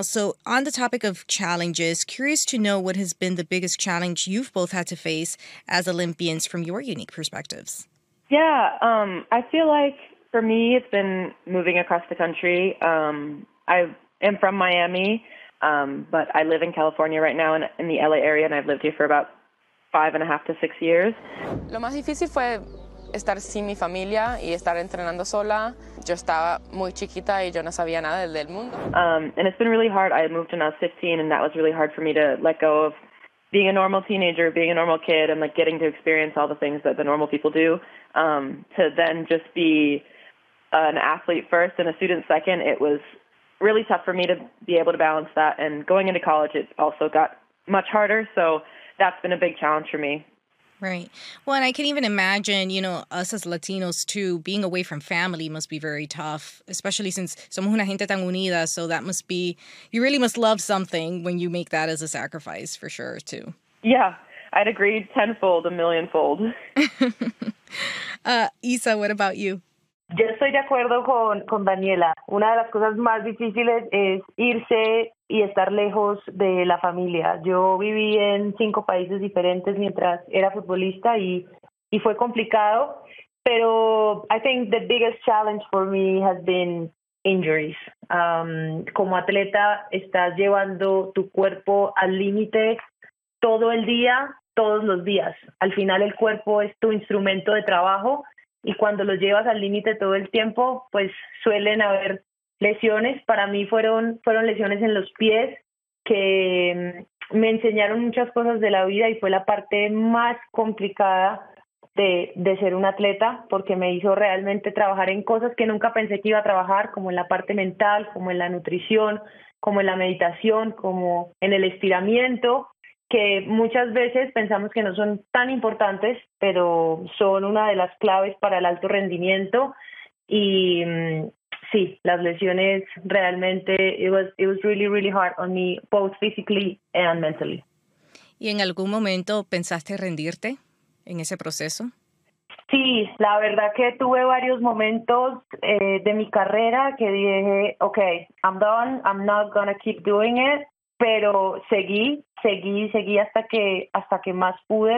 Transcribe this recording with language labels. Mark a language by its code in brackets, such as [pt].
[en] So on the topic of challenges, curious to know what has been the biggest challenge you've both had to face as Olympians from your unique perspectives. Yeah, I feel like for me, it's been moving across the country. I am from Miami, but I live in California right now in the LA area, and I've lived here for about 5.5 to 6 years. [es] Lo más difícil fue estar sin mi familia y estar entrenando sola. Yo estaba muy chiquita y yo no sabía nada del mundo. [en] And it's been really hard. I moved when I was 15, and that was really hard for me to let go of being a normal teenager, being a normal kid, and like getting to experience all the things that the normal people do. To then just be an athlete first and a student second, it was really tough for me to be able to balance that. And going into college, it also got much harder. So that's been a big challenge for me. Right. Well, and I can even imagine, you know, us as Latinos, too, being away from family must be very tough, especially since [es] somos una gente tan unida. [en] So that must be, you really must love something when you make that as a sacrifice, for sure, too. Yeah, I'd agree tenfold, a millionfold. Isa, what about you? [es] Yo estoy de acuerdo con Daniella. Una de las cosas más difíciles es irse y estar lejos de la familia. Yo viví en 5 países diferentes mientras era futbolista y fue complicado. Pero [en] I think the biggest challenge for me has been injuries. [es] Como atleta, estás llevando tu cuerpo al límite todo el día, todos los días. Al final, el cuerpo es tu instrumento de trabajo. Y cuando lo llevas al límite todo el tiempo, pues suelen haber lesiones. Para mí fueron lesiones en los pies que me enseñaron muchas cosas de la vida y fue la parte más complicada de ser un atleta, porque me hizo realmente trabajar en cosas que nunca pensé que iba a trabajar, como en la parte mental, como en la nutrición, como en la meditación, como en el estiramiento, que muchas veces pensamos que no son tan importantes, pero son una de las claves para el alto rendimiento. Y sí, las lesiones realmente, [en] it was really, really hard on me, both physically and mentally. [es] ¿Y en algún momento pensaste rendirte en ese proceso? Sí, la verdad que tuve varios momentos de mi carrera que dije, okay, [en] I'm done, I'm not gonna keep doing it. [es] Pero seguí hasta que más pude.